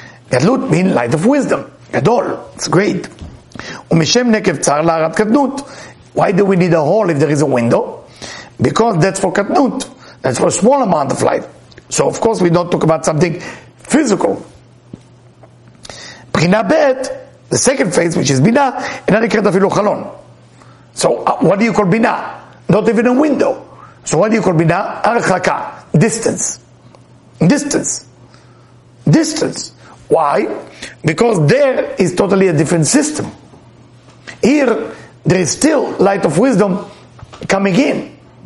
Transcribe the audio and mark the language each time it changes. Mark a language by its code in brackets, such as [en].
[en] Gadlut means light of wisdom. Gadol. It's great. [he] ומשם נקב צר להערת קטנות. [en] Why do we need a hole if there is a window? Because that's for קטנות. That's for a small amount of light. So of course we don't talk about something physical. [he] בחינה בית, [en] the second phase, which is [he] בינה, אינה נקראת אפילו חלון. [en] So what do you call בינה? Not even a window. So what do you call בינה? הרחקה. Distance. Distance. Distance. Why? Because there is totally a different system. Here, there is still light of wisdom coming in.